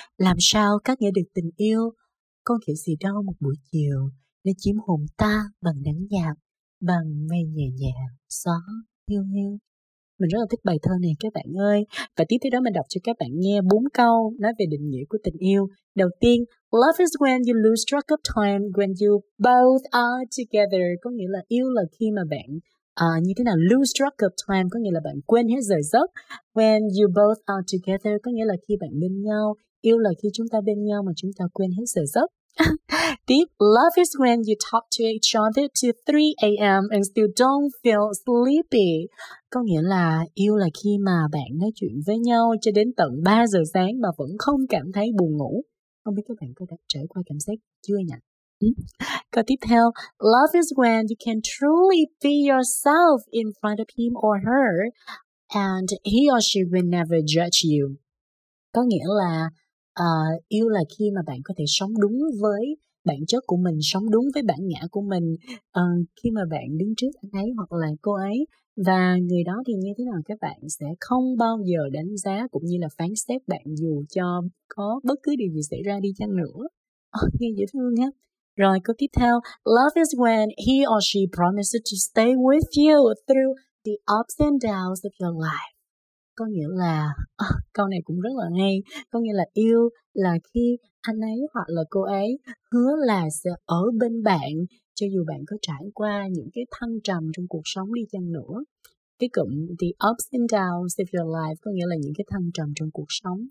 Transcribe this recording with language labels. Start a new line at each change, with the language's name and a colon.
Vietnamese: Làm sao cắt nghĩa được tình yêu? Có nghĩa gì đâu một buổi chiều, nó chiếm hồn ta bằng nắng nhạt, bằng mây nhẹ nhẹ, gió hiu hiu. Mình rất là thích bài thơ này các bạn ơi. Và tiếp theo đó mình đọc cho các bạn nghe 4 câu nói về định nghĩa của tình yêu. Đầu tiên,
English: love is when you lose track of time when you both are together.
Vietnamese: Có nghĩa là yêu là khi mà bạn như thế nào,
English: lose track of time
Vietnamese: có nghĩa là bạn quên hết giờ giấc.
English: When you both are together
Vietnamese: có nghĩa là khi bạn bên nhau. Yêu là khi chúng ta bên nhau mà chúng ta quên hết giờ giấc.
English: Deep love is when you talk to each other till 3 a.m. and still don't feel sleepy.
Vietnamese: Có nghĩa là yêu là khi mà bạn nói chuyện với nhau cho đến tận 3 giờ sáng mà vẫn không cảm thấy buồn ngủ. Không biết các bạn có đã trải qua cảm giác chưa nhỉ? Câu tiếp theo,
English: love is when you can truly be yourself in front of him or her and he or she will never judge you.
Vietnamese: Có nghĩa là yêu là khi mà bạn có thể sống đúng với bản chất của mình, sống đúng với bản ngã của mình khi mà bạn đứng trước anh ấy hoặc là cô ấy. Và người đó thì như thế nào, các bạn sẽ không bao giờ đánh giá cũng như là phán xét bạn dù cho có bất cứ điều gì xảy ra đi chăng nữa. Nghe dễ thương nhé. Rồi câu tiếp theo,
English: love is when he or she promises to stay with you through the ups and downs of your life.
Vietnamese: Có nghĩa là, câu này cũng rất là hay, có nghĩa là yêu là khi anh ấy hoặc là cô ấy hứa là sẽ ở bên bạn cho dù bạn có trải qua những cái thăng trầm trong cuộc sống đi chăng nữa. Cái cụm
English: the ups and downs of your life
Vietnamese: có nghĩa là những cái thăng trầm trong cuộc sống.